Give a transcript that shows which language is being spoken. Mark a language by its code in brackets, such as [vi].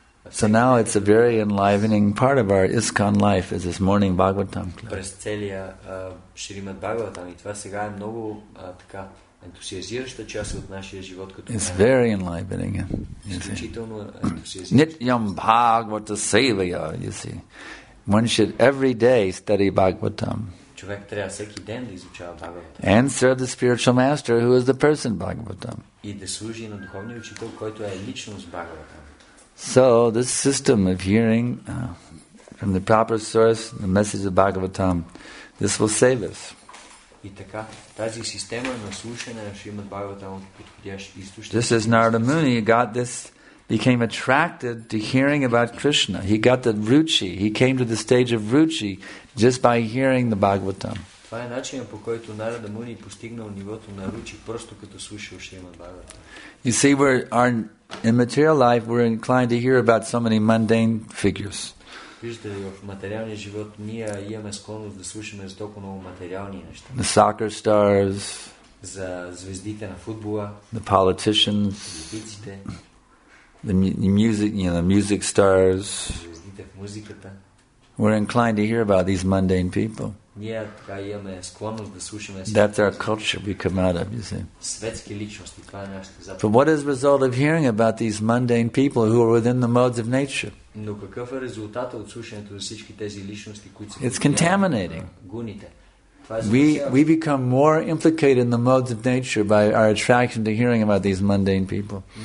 [en] So now it's a very enlivening part of our ISKCON life is this morning Bhagavatam class. [bg] През целия Шримад Бхагаватам, и това сега е много така ентусиазираща част от нашия живот като. [en] It's very enlivening. [bg] Изключително [sa] Nityam Bhagavata Sevaya, [en] you see. One should every day study Bhagavatam. [bg] Човек трябва всеки ден да изучава Бхагаватам. [en] And serve the spiritual master who is the person Bhagavatam. [bg] И да служи на духовния учител, който е личност Бхагаватам. [en] So this system of hearing from the proper source the message of Bhagavatam, this will save us. [bg] И така, тази система на слушане на Шримад Бхагаватам от подходящ източник. [en] This is Narada Muni. He got this, became attracted to hearing about Krishna. He got the ruchi. He came to the stage of ruchi just by hearing the Bhagavatam. [bg] Това е начинът, по който Narada Muni постигнал нивото на ручи, просто като слушал Шримад Бхагаватам. [en] You see, we're in material life, we're inclined to hear about so many mundane figures. [bg] Виждате, в материалния живот ние имаме склонност да слушаме за толкова много материални неща. [en] The soccer stars, [bg] за звездите на футбола, [en] the politicians, [bg] политиците, [en] the music, you know, the music stars, [bg] звездите в музиката. [en] We're inclined to hear about these mundane people. [bg] Ние така имаме склонност да слушаме. [en] That's our culture we come out of, you see. [bg] Светски личности, това е нашата запад. [en] But what is the result of hearing about these mundane people who are within the modes of nature? [bg] Но какъв е резултатът от слушането за всички тези личности, които са... [en] It's contaminating. [bg] Гуните. [en] We become more implicated in the modes of nature by our attraction to hearing about these mundane people.